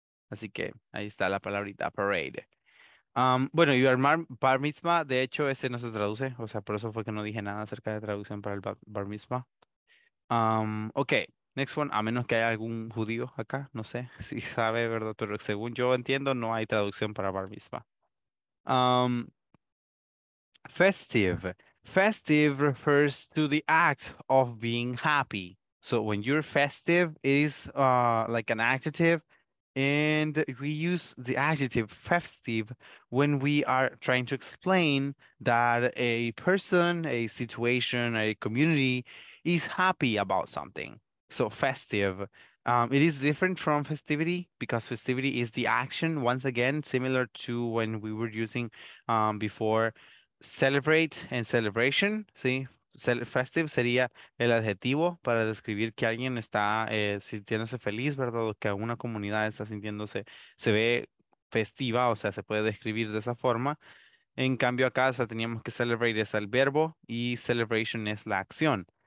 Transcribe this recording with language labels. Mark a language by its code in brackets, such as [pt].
[es] Así que ahí está la palabrita, parade. Bueno, y bar mitzvah, de hecho, ese no se traduce. O sea, por eso fue que no dije nada acerca de traducción para el bar mitzvah. Ok. [en] Next one, [es] a menos que haya algún judío acá, no sé si sabe, ¿verdad? Pero según yo entiendo, no hay traducción para bar mitzvah. [en] Festive. Festive refers to the act of being happy. So when you're festive, it is like an adjective. And we use the adjective festive when we are trying to explain that a person, a situation, a community is happy about something. So festive, it is different from festivity because festivity is the action, once again, similar to when we were using before celebrate and celebration. [es] ¿Sí? Festive sería el adjetivo para describir que alguien está sintiéndose feliz, ¿verdad? O que una comunidad está sintiéndose, se ve festiva, o sea, se puede describir de esa forma. En cambio acá, o sea, teníamos que celebrate es el verbo y celebration es la acción.